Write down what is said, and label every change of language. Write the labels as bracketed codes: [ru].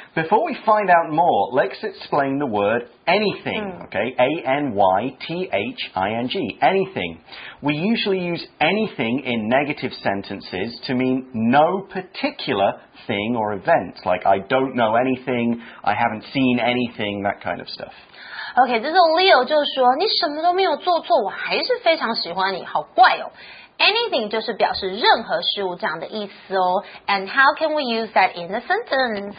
[en] Before we find out more, let's explain the word anything. Okay, A-N-Y-T-H-I-N-G. Anything. We usually use anything in negative sentences to mean no particular thing or event. Like, I don't know anything, I haven't seen anything, that kind of stuff. [zh] OK, 这种 Leo 就是说你什么都没有做错，我还是非常喜欢你，好怪哦。 Anything 就是表示任何事物这样的意思哦。 [en] And how can we use that in a sentence?